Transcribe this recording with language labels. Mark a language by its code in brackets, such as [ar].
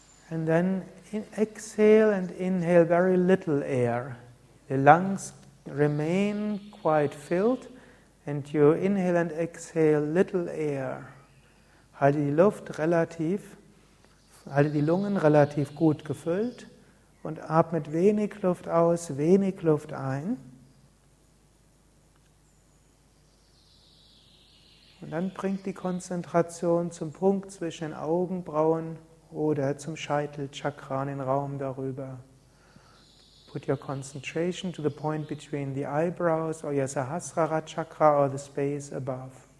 [en] And then exhale and inhale very little air. The lungs remain quite filled. And you inhale and exhale little air. [de] Halte die Luft relativ, halte die Lungen relativ gut gefüllt und atmet wenig Luft aus, wenig Luft ein. Und dann bringt die Konzentration zum Punkt zwischen Augenbrauen oder zum Scheitelchakra in den Raum darüber. [en] Put your concentration to the point between the eyebrows or your Sahasrara chakra or the space above.